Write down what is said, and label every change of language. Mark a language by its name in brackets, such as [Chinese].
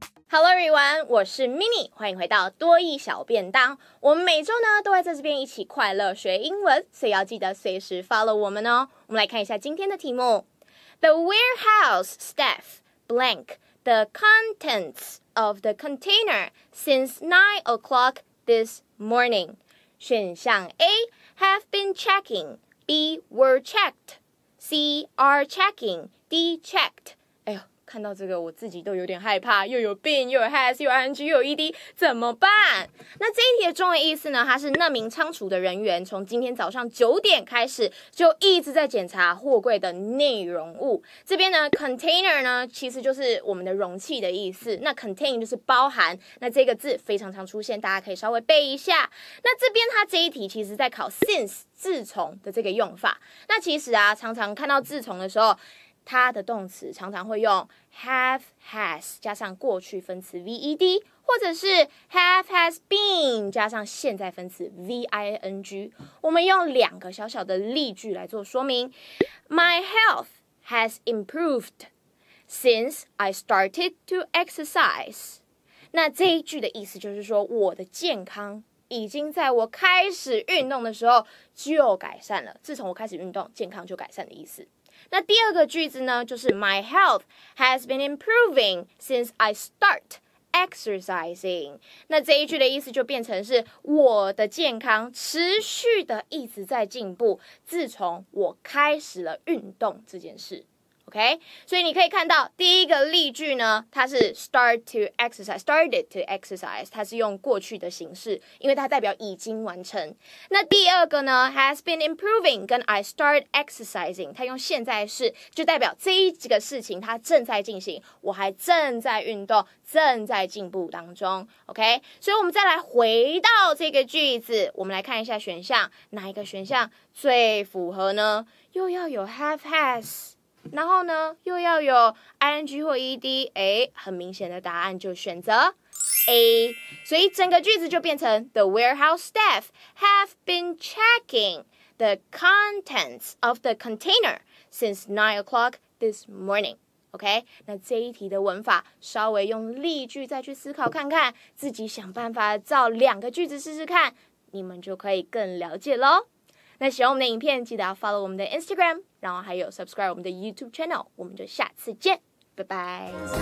[English] Hello everyone， [Chinese] 我是 Mini， 欢迎回到多益小便当。我们每周呢都会在这边一起快乐学英文，所以要记得随时 follow 我们哦。我们来看一下今天的题目 [English] ：The warehouse staff blank the contents of the container since 9 o'clock this morning. [Chinese] 选项 [English] A have been checking, B were checked, C are checking, D checked。 [Chinese] 看到这个我自己都有点害怕，又有 been 又有 has 又有 ing 又有 ed， 怎么办？那这一题的中文意思呢，它是那名仓储的人员从今天早上9点开始就一直在检查货柜的内容物。这边呢 container 呢其实就是我们的容器的意思，那 contain 就是包含，那这个字非常常出现，大家可以稍微背一下。那这边它这一题其实在考 since 自从的这个用法。那其实啊，常常看到自从的时候，它的动词常常会用 have, has 加上过去分词 ved， 或者是 have, has been 加上现在分词 ving。我们用两个小小的例句来做说明。 [English] My health has improved since I started to exercise。 [Chinese] 那这一句的意思就是说，我的健康已经在我开始运动的时候就改善了，自从我开始运动健康就改善的意思。那第二个句子呢，就是 [English] My health has been improving since I start exercising。 [Chinese] 那这一句的意思就变成是，我的健康持续的一直在进步，自从我开始了运动这件事。 OK， 所以你可以看到第一个例句呢，它是 started to exercise， 它是用过去的形式，因为它代表已经完成。那第二个呢 has been improving 跟 I start exercising， 它用现在式就代表这一个事情它正在进行，我还正在运动，正在进步当中。 OK， 所以我们再来回到这个句子，我们来看一下选项，哪一个选项最符合呢？又要有 have has，然后呢又要有 ing 或 ed， 诶，很明显的答案就选择 A。所以整个句子就变成 [English] The warehouse staff have been checking the contents of the container since 9 o'clock this morning。 [Chinese] OK， 那这一题的文法稍微用例句再去思考看看，自己想办法造两个句子试试看，你们就可以更了解咯。那喜欢我们的影片，记得要 follow 我们的 Instagram， 然后还有 subscribe 我们的 YouTube channel。 我们就下次见，拜拜。